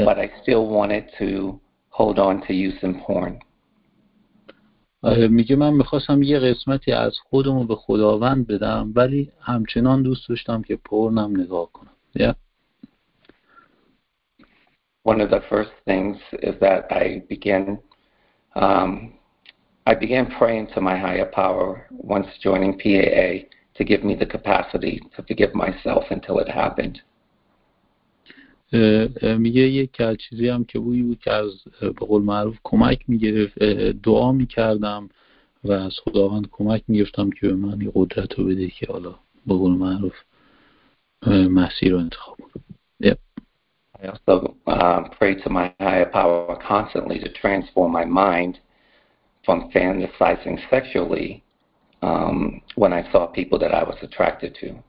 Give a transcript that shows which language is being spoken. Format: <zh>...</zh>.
<en>But I still wanted to hold on to using porn.</en> <fa>میگه من میخواستم یه قسمتی از خودمو به خداوند بدم ولی همچنان دوست داشتم که پرنم نگاه کنم.</fa> <en>Yeah. One of the first things is that I began praying to my higher power once joining PAA to give me the capacity to forgive myself until it happened.</en> <fa>میگه یک چیزی هم که بویی بود که از به قول معروف کمک میگرفت دعا میکردم و از خداوند کمک میگرفتم که به من این قدرت رو بده که حالا به قول معروف مسیر رو انتخاب کنم.</fa> <en>I also pray to my higher power constantly to transform my mind from fantasizing sexually when I saw people that I was attracted to.</en>